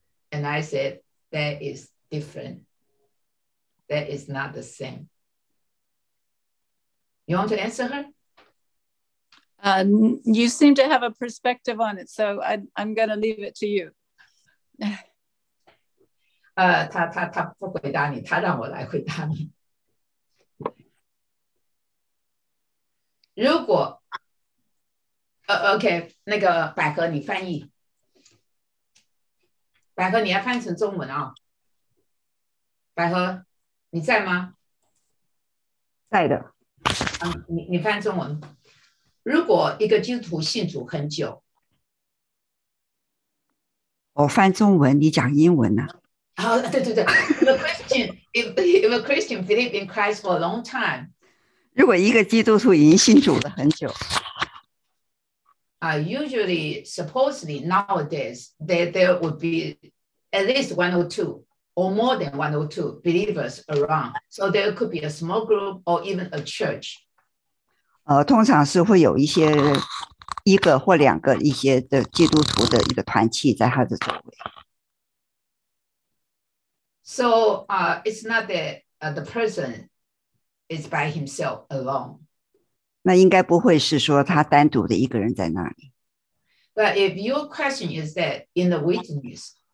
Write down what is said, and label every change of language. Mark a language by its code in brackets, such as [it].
[en] And I said, that is different. That is not the same. You want to answer her? You seem to have a perspective on it, so I'm going to leave it to you. [zh] 他不回答你，他让我来回答你。如果okay, 那个百合你翻译。百合你要翻成中文啊。百合你在吗？在的。你翻中文，如果一个基督徒信主很久，我翻中文，你讲英文呢？对对对， [en] if a Christian believe in Christ for a long time， [zh] 如果一个基督徒已经信主了很久， [en] usually supposedly nowadays there would be at least one or two or more than one or two believers around， so there could be a small group or even a church。 [zh] 通常是会有一些一个或两个一些的基督徒的一个团契在他的周围。 [en] So, it's not that the person is by himself alone. [zh] 那应该不会是说他单独的一个人在那里。 [en] But if your question is that in the wilderness,